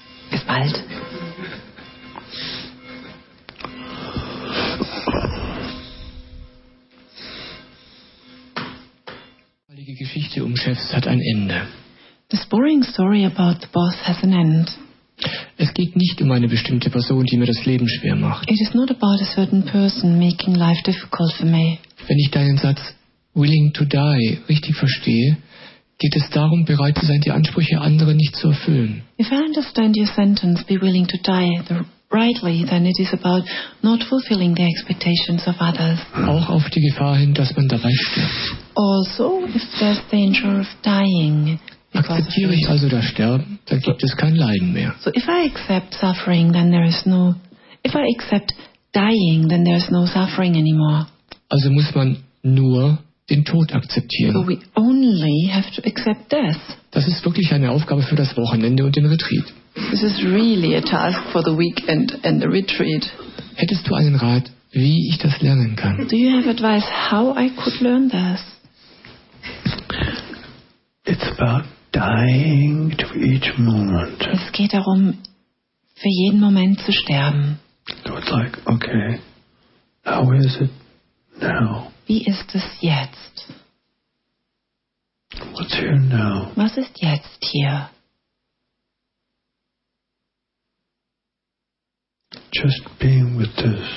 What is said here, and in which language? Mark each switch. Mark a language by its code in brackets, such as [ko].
[de] Bis bald. Chefs hat ein Ende. [en] This boring story about the boss has an end. [de] Es geht nicht um eine bestimmte Person, die mir das Leben schwer macht. [en] It is not about a certain person making life difficult for me. [de] Wenn ich deinen Satz [en] willing to die [de] richtig verstehe, geht es darum, bereit zu sein, die Ansprüche anderer nicht zu erfüllen. [en] If I understand your sentence, be willing to die rightly, then it is about not fulfilling the expectations of others. [de] Auch auf die Gefahr hin, dass man dabei stirbt. [en] Also, if there's danger of dying. [de] Akzeptiere ich also das Sterben, dann gibt es kein Leiden mehr. [en] So if I accept suffering, then there is no. If I accept dying, then there is no suffering anymore. [de] Also muss man nur den Tod akzeptieren. [en] So we only have to accept death. [de] Das ist wirklich eine Aufgabe für das Wochenende und den Retreat. [en] This is really a task for the weekend and the retreat. [de] Hättest du einen Rat wie ich das lernen kann. [en] Do you have advice how I could learn this? It's about dying to each moment. [de] Es geht darum, für jeden Moment zu sterben. [en] So it's like, okay, how is it now? [de] Wie ist es jetzt? [en] What's here now? [de] Was ist jetzt hier? [en] Just being with this.